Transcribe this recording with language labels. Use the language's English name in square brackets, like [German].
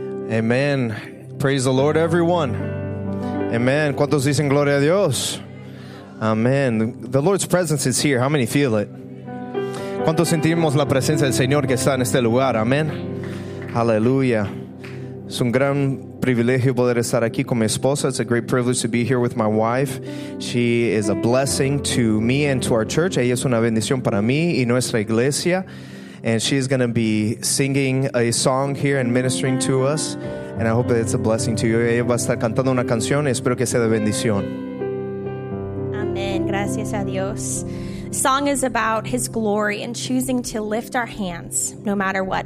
[English] Amen. Praise the Lord, everyone. Amen. [Spanish] ¿Cuántos dicen gloria a Dios? Amen. [English] The Lord's presence is here. How many feel it? [Spanish] ¿Cuántos sentimos la presencia del Señor que está en este lugar? Amen. Hallelujah. Es un gran privilegio poder estar aquí con mi esposa. [English] It's a great privilege to be here with my wife. She is a blessing to me and to our church. [Spanish] Ella es una bendición para mí y nuestra iglesia. [English] And she's going to be singing a song here and ministering to us. And I hope that it's a blessing to you. [Spanish] Ella va a estar cantando una canción. Espero que sea de bendición. Amen. Gracias a Dios. [English] Song is about His glory and choosing to lift our hands no matter what.